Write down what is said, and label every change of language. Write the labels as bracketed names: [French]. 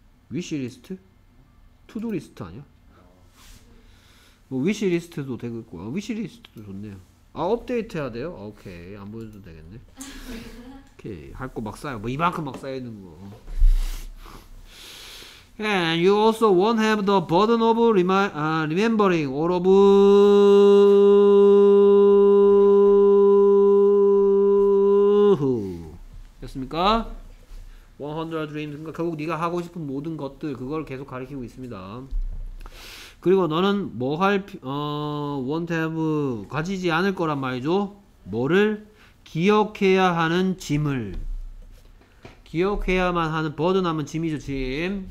[Korean] 위시리스트. 투두리스트 아니야? 뭐 위시리스트도 되겠고. 아, 위시리스트도 좋네요. 아, 업데이트 해야 돼요? 오케이. 안 보여줘도 되겠네. 오케이. 할 거 막 쌓여. 뭐 이만큼 막 쌓여 있는 거. [English] And you also won't have the burden of remembering all of who. [Korean] 됐습니까? [English] 100 dreams. [Korean] 그러니까 결국 네가 하고 싶은 모든 것들 그걸 계속 가리키고 있습니다. 그리고 너는 뭐 할 [English] won't have [Korean] 가지지 않을 거란 말이죠. 뭐를 기억해야 하는 짐을 기억해야만 하는 burden 하면 짐이죠. 짐.